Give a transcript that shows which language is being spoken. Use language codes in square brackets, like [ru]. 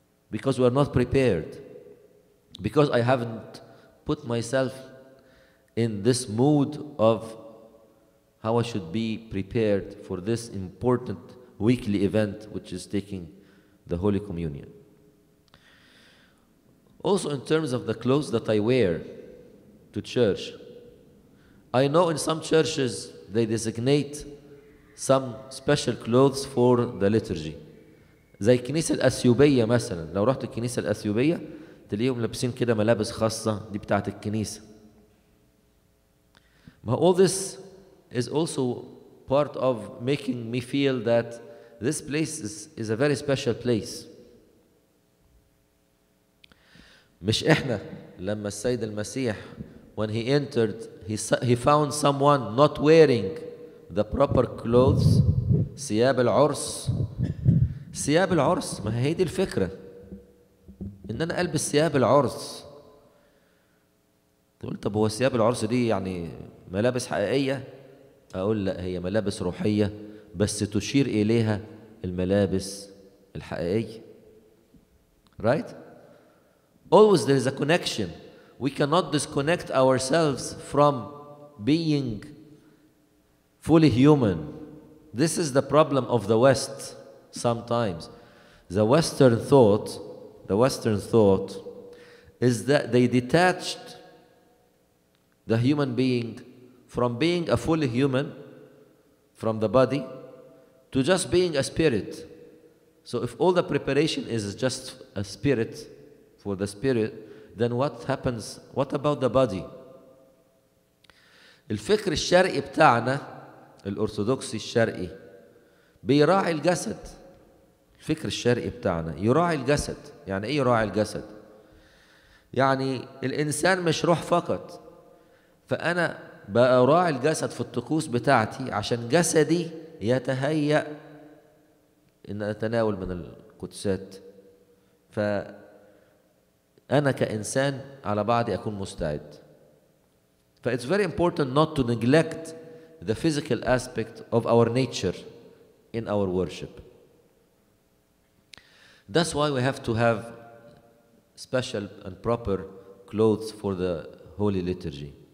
[en] Because we are not prepared. Because I haven't put myself in this mood of how I should be prepared for this important weekly event, which is taking the Holy Communion. Also, in terms of the clothes that I wear to church, I know in some churches they designate some special clothes for the liturgy. [ar] زي الكنيسة الأثيوبية مثلا، لو رحت الكنيسة الأثيوبية تلاقيهم لابسين كده ملابس خاصة دي بتاعت الكنيسة. [en] All this is also part of making me feel that this place is a very special place. [ar] مش إحنا لما السيد المسيح [en] when he entered he found someone not wearing the proper clothes. [ar] ثياب العرس، ثياب العرس، ما هي دي الفكرة ان انا البس ثياب العرس. تقول طب هو ثياب العرس دي يعني ملابس حقيقية؟ اقول لا، هي ملابس روحية بس تشير اليها الملابس الحقيقية. [en] Right? Always there is a connection. We cannot disconnect ourselves from being fully human. This is the problem of the West sometimes. The Western thought is that they detached the human being from being a fully human, from the body, to just being a spirit. So if all the preparation is just a spirit, for the spirit, then what happens? What about the body? [ar] الفكر الشرقي بتاعنا الأرثوذكسي الشرقي بيراعي الجسد. الفكر الشرقي بتاعنا يراعي الجسد. يعني ايه يراعي الجسد؟ يعني الانسان مش روح فقط، فانا بأراعي الجسد في الطقوس بتاعتي عشان جسدي يتهيأ ان اتناول من القدسات، فانا كانسان على بعضي اكون مستعد. [en] ف it's very important not to neglect the physical aspect of our nature in our worship. That's why we have to have special and proper clothes for the holy liturgy.